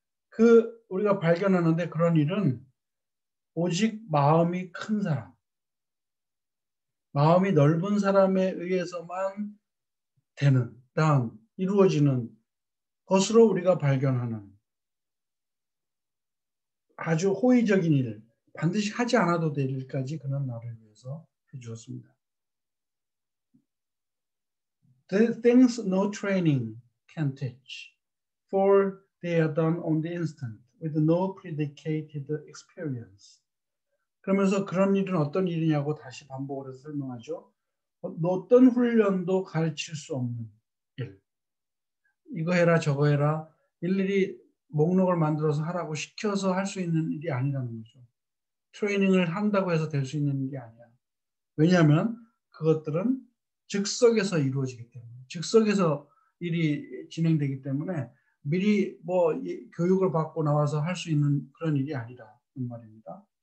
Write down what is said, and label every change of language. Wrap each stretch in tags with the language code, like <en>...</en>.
<ko>그 우리가 발견하는데 그런 일은 오직 마음이 큰 사람, 마음이 넓은 사람에 의해서만 되는, 다음 이루어지는 것으로 우리가 발견하는 아주 호의적인 일, 반드시 하지 않아도 될 일까지 그는 나를 위해서 해주었습니다.</ko> <en>The things no training can teach, for they are done on the instant, with no predicated experience.</en> <ko>그러면서 그런 일은 어떤 일이냐고 다시 반복을 해서 설명하죠. 어떤 훈련도 가르칠 수 없는 일. 이거 해라, 저거 해라, 일일이 목록을 만들어서 하라고 시켜서 할수 있는 일이 아니라는 거죠. 트레이닝을 한다고 해서 될수 있는 게 아니야. 왜냐하면 그것들은 즉석에서 이루어지기 때문에, 즉석에서 일이 진행되기 때문에 미리 뭐 교육을 받고 나와서 할수 있는 그런 일이 아니라는 말입니다.</ko>